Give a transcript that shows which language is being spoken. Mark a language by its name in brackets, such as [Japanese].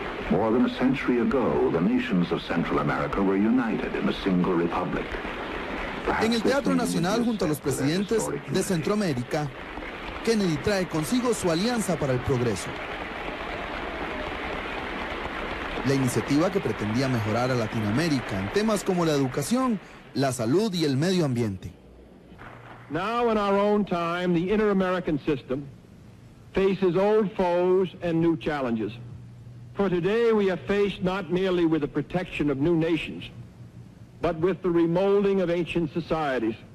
[English] More than a century ago, the nations of Central America were united in a single republic. [Spanish] En el Teatro Nacional, junto a los presidentes de Centroamérica, Kennedy trae consigo su Alianza para el Progreso. La iniciativa que pretendía mejorar a Latinoamérica en temas como la educación, la salud y el medio ambiente. [English] Now in our own time, the inter-American system faces old foes and new challenges. For today, we are faced not merely with the protection of new nations, but with the remolding of ancient societies.